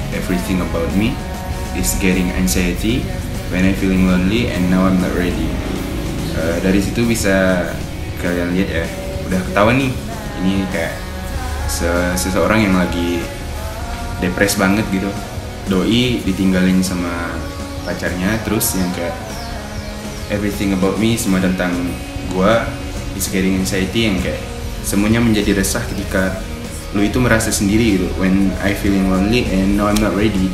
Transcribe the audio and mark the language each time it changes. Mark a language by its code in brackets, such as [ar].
[en] Everything about me is getting anxiety when I'm feeling lonely and now I'm not ready. [id] Dari situ bisa kalian lihat ya, udah ketahuan nih, ini kayak seseorang yang lagi depres banget gitu. Doi ditinggalin sama pacarnya, terus yang kayak [en] everything about me, [id] semua tentang gua, [en] is getting anxiety, [id] yang kayak semuanya menjadi resah ketika lu itu merasa sendiri gitu. [en] When I feeling lonely and now I'm not ready.